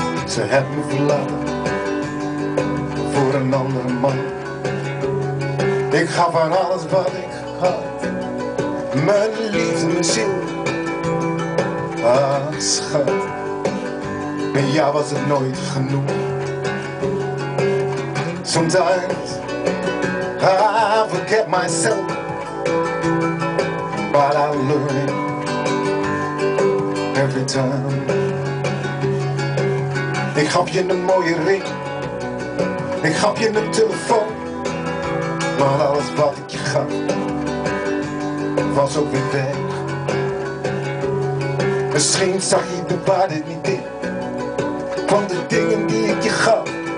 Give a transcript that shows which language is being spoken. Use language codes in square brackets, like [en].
[nl] Ze hebben verlaten voor een andere man. Ik gaf haar alles wat ik had, mijn liefde, mijn ziel. Ah, schat, met jou was het nooit genoeg. [en] Sometimes I forget myself, but I learn every time. [nl] Ik gaf je een mooie ring, ik gaf je een telefoon, maar alles wat ik je gaf was ook weer weg. Misschien zag je de waarde niet in van de dingen die ik je gaf.